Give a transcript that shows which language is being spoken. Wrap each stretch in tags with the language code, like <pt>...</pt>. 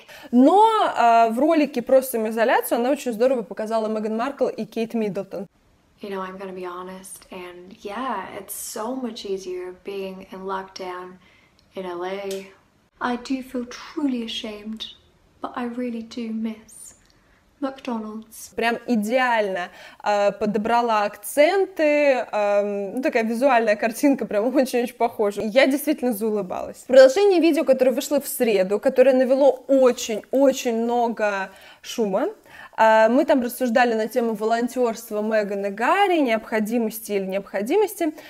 <ru>Но в ролике про самоизоляцию она очень здорово показала Меган Маркл и Кейт Миддлтон.</ru> <en>You know, I'm gonna be honest, and yeah, it's so much easier being in lockdown in LA. I do feel truly ashamed, but I really do miss. McDonald's.</en> <ru>Прям идеально подобрала акценты, такая визуальная картинка прям очень-очень похожа. Я действительно заулыбалась. Продолжение видео, которое вышло в среду, которое навело очень-очень много шума. Мы там рассуждали на тему волонтерства Меган и Гарри, необходимости или необходимости.</ru>